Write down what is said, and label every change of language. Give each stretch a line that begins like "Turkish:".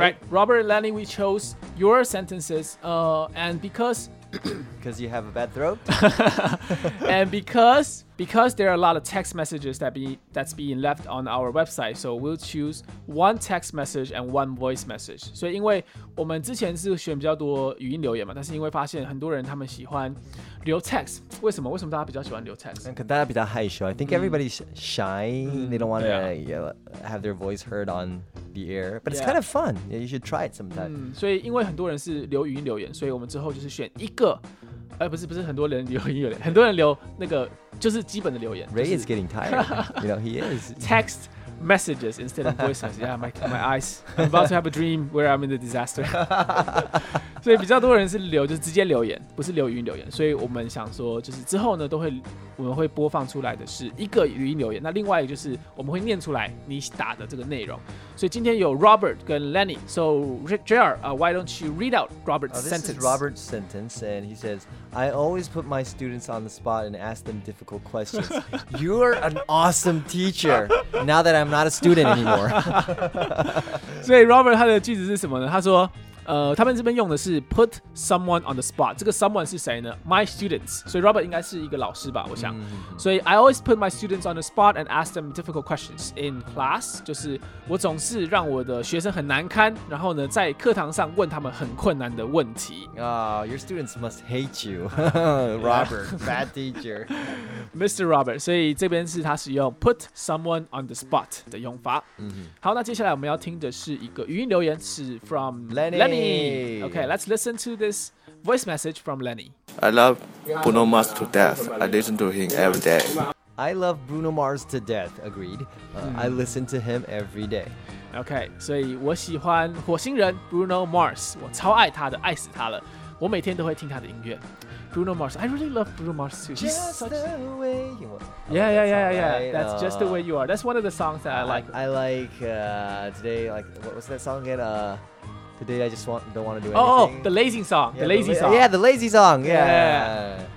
English: Right, Robert and Lenny, we chose your sentences、and because... Because you have a bad throat? and because there are a lot of text messages that's being left on our website, so we'll choose one text message and one voice message.
Chinese: 所以因为我们之前是选比较多语音留言嘛，但是因为发现很多人他们喜欢留 text， 为什么大家比较喜欢留 text？可能大家比较害羞。
English: I think everybody's shy.、They don't want to、have their voice heard on the air. But it's、kind of fun. Yeah, you should try it sometime.、
Chinese: 所以因为很多人是留语音留言，所以我们之后就是选一个。不是很多人留音乐，很多人留那个就是基本的留言。
English: Ray、
Chinese: 就是、
English: is getting tired. You know, he is. Text messages instead of voices. Yeah, my eyes. I'm about to have a dream where I'm in the disaster.
Chinese: 所以比较多人是留就是直接留言，不是留语音留言。所以我们想说，就是之后呢，我们会播放出来的是一个语音留言，那另外一个就是我们会念出来你打的这个内容。所以今天有 Robert 跟 Lenny.
English: So JR, why don't you read out Robert's sentence? This is Robert's sentence, and he says, I always put my students on the spot and ask them difficult questions. You're an awesome teacher. Now that I'm not a student anymore.
Chinese: 所以 Robert 他的句子是什么呢？他说，他们这边用的是 put someone on the spot. 这个 someone 是谁呢？
English: My students.
Chinese: 所以 Robert 应该是一个老师吧，我想。
English: 所以 I always put my students on the spot and ask them difficult questions in class.
Chinese: 就是我总是让我的学生很难堪，然后呢，在课堂上问他们很困难的问题。
English: Your students must hate you, Robert, bad teacher,
Chinese: Mr. Robert. 所以这边是他使用 put someone on the spot 的用法。好，那接下来我们要听的是一个语音留言，是
English: from
Chinese: Lenny.
English: Okay, let's listen to this voice message from Lenny. I love Bruno Mars to death. I listen to him every day. I love Bruno Mars to death, agreed. I listen to him every day.
Chinese: Okay, 所以我喜欢火星人 Bruno Mars. 我超爱他的，爱死他了。我每天都会听他的音乐。
English: Bruno Mars, I really love Bruno Mars too. Just the way you are. Yeah. That's just the way you are. That's one of the songs that I like. I like today, like, what was that song again? Today I just don't want to do anything. Oh, the lazy song. Yeah, the lazy song. Yeah, the lazy song. Yeah.